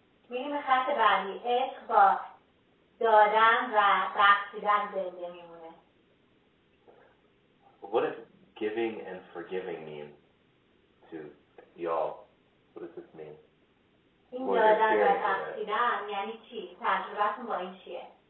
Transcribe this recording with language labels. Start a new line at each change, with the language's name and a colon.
Persian: میگیم خط بعدی، عشق با دادن و بخشیدن زنده میمونه.
English: What does giving and forgiving mean to y'all? What does this mean?
Persian: این دادن و بخشیدن یعنی چی؟ تجربتون با این چیه؟